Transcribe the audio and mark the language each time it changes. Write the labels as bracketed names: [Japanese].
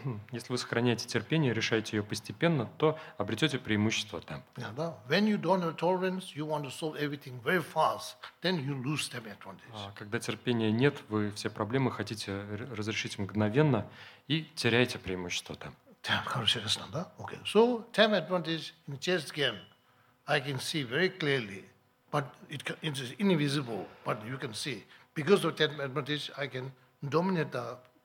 [Russian] Если вы сохраняете терпение, решаете ее постепенно, то обретете преимущество темп. [English] Yeah, [Russian] да. [English] When you don't have tolerance, you want to solve everything very fast, then you lose time advantage. [Russian] Когда терпения нет, вы все проблемы хотите разрешить мгновенно и теряете преимущество темп. [English] Yeah, [Russian] хорошо, ясно, да? [English] Okay. So time advantage in chess game, I can see very clearly, but it is invisible, but you can see. Because of time advantage, I can dominate the